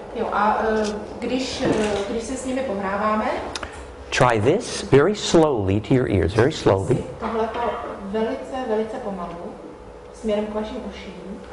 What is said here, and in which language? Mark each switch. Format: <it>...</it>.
<cs>Jo, a když se s nimi pohráváme,</cs> <en>try this very slowly to your ears, very slowly.</en> <cs>Tohle to velice, velice pomalu, směrem k vašim uším.</cs>